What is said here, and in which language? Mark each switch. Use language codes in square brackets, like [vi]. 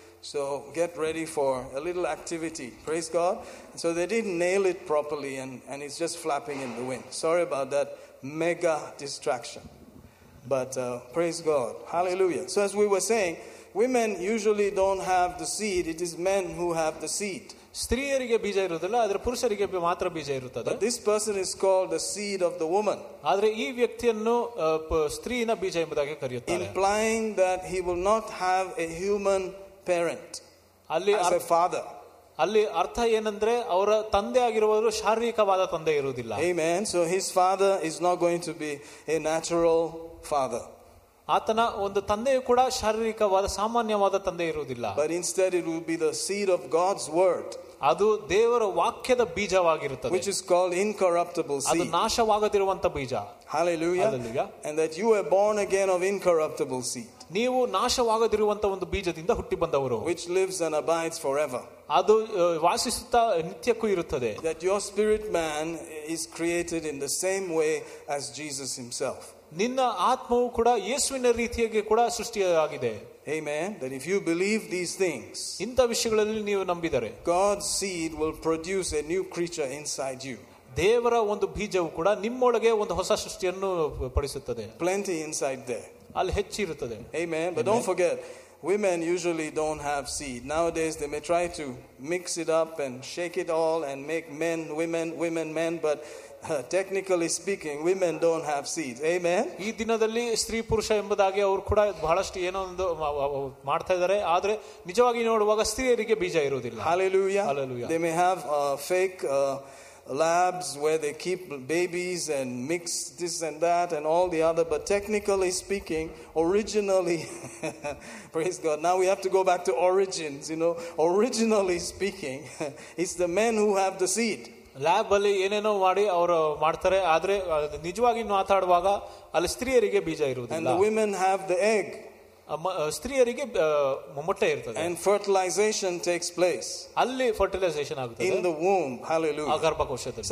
[en] So get ready for a little activity. Praise God. So they didn't nail it properly and it's just flapping in the wind. Sorry about that mega distraction. But praise God. Hallelujah. So as we were saying, women usually don't have the seed. It is men who have the seed. [kn] ಸ್ತ್ರೀಯರಿಗೆ ಬೀಜ ಇರುವುದಿಲ್ಲ, ಆದರೆ ಪುರುಷರಿಗೆ ಮಾತ್ರ ಬೀಜ ಇರುತ್ತದೆ. [en] This person is called the seed of the woman. [kn] ಆದರೆ ಈ ವ್ಯಕ್ತಿಯನ್ನು ಸ್ತ್ರೀಯನ ಬೀಜ ಎಂಬುದಾಗಿ ಕರೆಯುತ್ತಾರೆ. [en] Implying that he will not have a human parent. ಅಲ್ಲಿ as a father. [kn] ಅಲ್ಲಿ ಅರ್ಥ ಏನಂದ್ರೆ ಅವರ ತಂದೆ ಆಗಿರುವವರು ಶಾರೀರಿಕವಾದ ತಂದೆ ಇರುವುದಿಲ್ಲ. [en] Amen. So his father is not going to be a natural father. [kn] ಆತನ ಒಂದು ತಂದೆಯು ಕೂಡ ಶಾರೀರಿಕವಾದ ಸಾಮಾನ್ಯವಾದ ತಂದೆ ಇರುವುದಿಲ್ಲ. [en] But instead it will be the seed of God's word. [kn] ಅದು ದೇವರ ವಾಕ್ಯದ ಬೀಜವಾಗಿರುತ್ತದೆ. [en] Which is called incorruptible seed. [kn] ಅದು ನಾಶವಾಗದಿರುವಂತ ಬೀಜ. [en] Hallelujah. And that you are born again of incorruptible seed. [kn] ನೀವು ನಾಶವಾಗದಿರುವಂತ ಒಂದು ಬೀಜದಿಂದ ಹುಟ್ಟಿ ಬಂದವರು. [en] Which lives and abides forever. [kn] ಅದು ವಾಸಿಸುತ್ತಾ ನಿತ್ಯಕ್ಕೂ ಇರುತ್ತದೆ. [en] That your spirit man is created in the same way as Jesus himself. [kn] ನಿನ್ನ ಆತ್ಮವು ಕೂಡ ಯೇಸುವಿನ ರೀತಿಯಾಗಿ ಕೂಡ ಸೃಷ್ಟಿಯಾಗಿದೆ. [en] Amen. That if you believe these things, [kn] ಇಂತ ವಿಷಯಗಳಲ್ಲಿ ನೀವು ನಂಬಿದರೆ, [en] God's seed will produce a new creature inside you. [kn] ದೇವರ ಒಂದು ಬೀಜವು ಕೂಡ ನಿಮ್ಮೊಳಗೆ ಒಂದು ಹೊಸ ಸೃಷ್ಟಿಯನ್ನು ಪಡಿಸುತ್ತದೆ. [en] Plenty inside there. [kn] ಅಲ್ಲಿ ಹೆಚ್ಚಿರುತ್ತದೆ. [en] Amen. But don't forget, women usually don't have seed. Nowadays they may try to mix it up and shake it all and make men, women, women, men, but technically speaking, women don't have seeds. Amen. [kn] ಈ ದಿನದಲ್ಲಿ ಸ್ತ್ರೀ ಪುರುಷ ಎಂಬುದಾಗಿ ಅವರು ಕೂಡ ಬಹಳಷ್ಟು ಏನೋ ಒಂದು ಮಾಡ್ತಾ ಇದ್ದಾರೆ, ಆದ್ರೆ ನಿಜವಾಗಿ ನೋಡುವಾಗ ಸ್ತ್ರೀಯರಿಗೆ ಬೀಜ ಇರುವುದಿಲ್ಲ. [en] Hallelujah. Hallelujah. They may have fake labs where they keep babies and mix this and that and all the other, but technically speaking, originally praise God, now we have to go back to origins, originally speaking, it's the men who have the seed. [kn] Lab ಅಲ್ಲಿ ಏನೇನೋ ಮಾಡಿ ಅವರು ಮಾಡ್ತಾರೆ, ಆದ್ರೆ ನಿಜವಾಗಿ ಮಾತಾಡುವಾಗ ಅಲ್ಲಿ ಸ್ತ್ರೀಯರಿಗೆ ಬೀಜ ಇರುವುದಿಲ್ಲ. [en] Women have the egg. [kn] ಸ್ತ್ರೀಯರಿಗೆ ಮೊಟ್ಟೆ ಇರ್ತದೆ. [en] And fertilization takes place. [kn] ಅಲ್ಲಿ ಫರ್ಟಿಲೈಸೇಷನ್ ಆಗುತ್ತದೆ. [en] In the womb. Hallelujah. [kn] ಆ ಗರ್ಭಕೋಶದಲ್ಲಿ.